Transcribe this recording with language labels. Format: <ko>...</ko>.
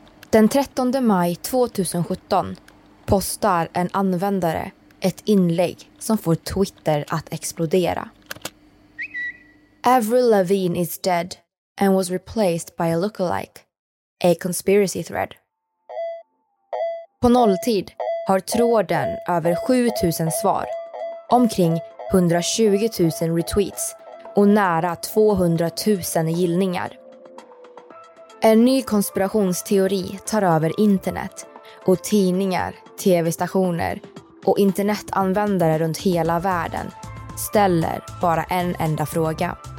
<sv>Den 13 maj 2017 postar en användare ett inlägg som får Twitter att explodera.</sv> <en>Avril Lavigne is dead and was replaced by a lookalike, a conspiracy thread.</en> <sv>På nolltid har tråden över 7000 svar, omkring 120 000 retweets och nära 200 000 gillningar. En ny konspirationsteori tar över internet och tidningar, tv-stationer och internetanvändare runt hela världen ställer bara en enda fråga.</sv>